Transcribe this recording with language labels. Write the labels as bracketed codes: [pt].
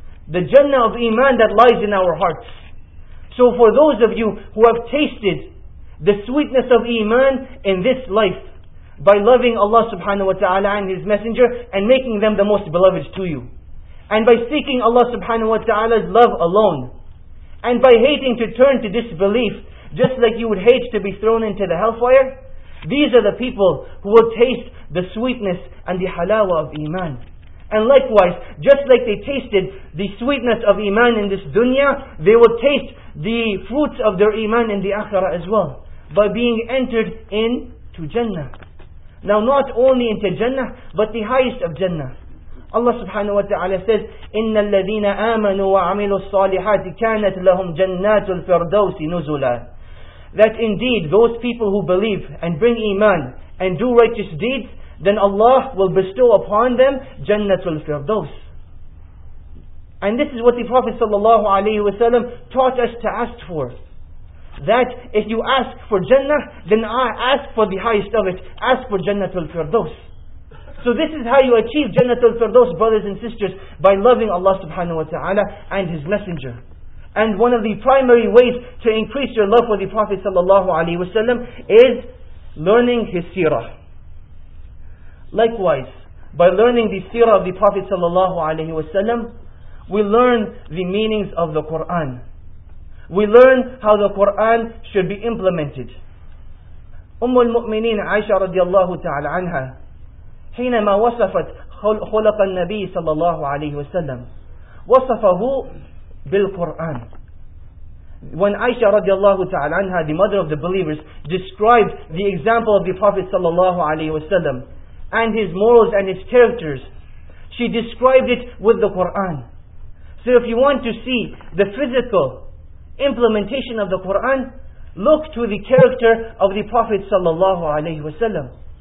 [en] The jannah of iman that lies in our hearts. So for those of you who have tasted the sweetness of iman in this life, by loving Allah subhanahu wa ta'ala and His Messenger and making them the most beloved to you, and by seeking Allah subhanahu wa ta'ala's love alone, and by hating to turn to disbelief, just like you would hate to be thrown into the hellfire, these are the people who will taste the sweetness and the halawa of iman. And likewise, just like they tasted the sweetness of iman in this dunya, they will taste the fruits of their iman in the akhirah as well, by being entered into Jannah. Now not only into Jannah, but the highest of Jannah. [ar] Allah subhanahu wa ta'ala says, إِنَّ الَّذِينَ آمَنُوا وَعَمِلُوا الصَّالِحَاتِ كَانَتْ لَهُمْ جَنَّاتُ الْفِرْدَوْسِ نُزُلًا. [en] That indeed, those people who believe and bring iman and do righteous deeds, then Allah will bestow upon them جَنَّةُ الْفِرْدَوْسِ. And this is what the Prophet sallallahu alayhi wa sallam taught us to ask for. That if you ask for Jannah, then I ask for the highest of it. Ask for Jannatul Firdaus. So this is how you achieve Jannatul Firdaus, brothers and sisters, by loving Allah subhanahu wa ta'ala and His Messenger. And one of the primary ways to increase your love for the Prophet sallallahu alaihi wasallam is learning his seerah. Likewise, by learning the seerah of the Prophet sallallahu alaihi wasallam, we learn the meanings of the Qur'an. We learn how the Qur'an should be implemented. [ar] Ummul Mu'mineen Aisha radiallahu ta'ala anha, حينما وصفت خلق النبي صلى الله عليه وسلم, وصفه بالقرآن. [en] When Aisha radiallahu ta'ala anha, the mother of the believers, described the example of the Prophet صلى الله عليه وسلم and his morals and his characters, she described it with the Qur'an. So if you want to see the physical implementation of the Qur'an, look to the character of the Prophet sallallahu alayhi wasallam.